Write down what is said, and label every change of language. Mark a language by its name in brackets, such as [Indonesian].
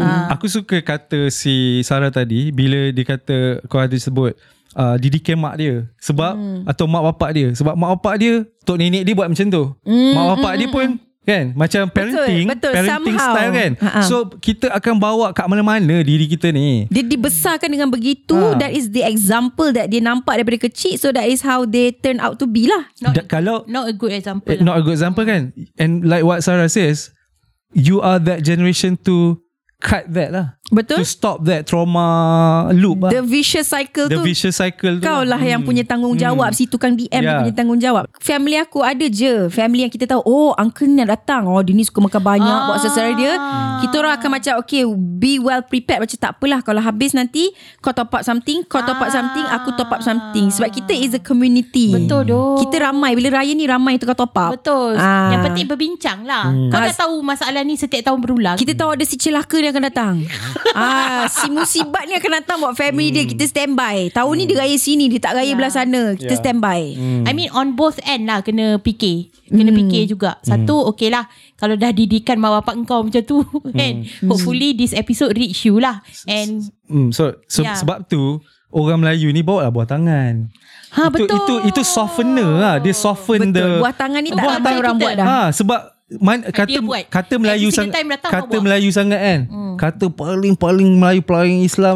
[Malay] Aku suka kata si Sarah tadi bila dia kata kau ada sebut didikan mak dia sebab atau mak bapak dia, sebab mak bapak dia tok nenek dia buat macam tu. Mak bapak dia pun kan macam parenting. Parenting [English] somehow. [Malay] Style kan. So kita akan bawa kat mana-mana diri kita ni. Dia dibesarkan dengan begitu. [English] That is the example that [Malay] dia nampak daripada kecil. [English] So that is how they turn out to be lah. Not a good example. Not a good example kan. And like what Sarah says, you are that generation to cut that lah. [Malay] Betul. [English] To stop that trauma loop the lah. Vicious cycle the [Malay] tu. [English] The vicious cycle tu. [Malay] Kau lah yang punya tanggungjawab. Si tukang DM yang punya tanggungjawab. Family aku ada je. Family yang kita tahu, oh uncle ni nak datang. Oh dia ni suka makan banyak. Buat sesuai dia. Kita orang akan macam, okay, [English] be well prepared. [Malay] Macam takpelah. Kalau habis nanti, kau top up something. Kau top up something. Aku top up something. Sebab kita [English] is a community. [Malay] Betul doh. Kita ramai. Bila raya ni ramai tukar top up. Betul. Yang penting berbincang lah. Kau dah tahu masalah ni setiap tahun berulang. Kita tahu ada si celaka ni akan datang. si musibat ni akan datang buat family dia. Kita standby. Tahun ni dia raya sini, dia tak raya belah sana. Kita standby. [English] I mean on both end [Malay] lah. Kena fikir. Kena fikir juga. Satu okay lah, kalau dah didikan mak bapak kau macam tu kan. [English] Hopefully this episode reach you lah. And [Malay] Sebab tu orang Melayu ni bawa lah buah tangan. Betul. Itu softener lah. Dia soften betul. buah tangan ni tak ada orang buat dah. Sebab kata Melayu sangat, kata Melayu sangat kan. Kata paling-paling Melayu, paling Islam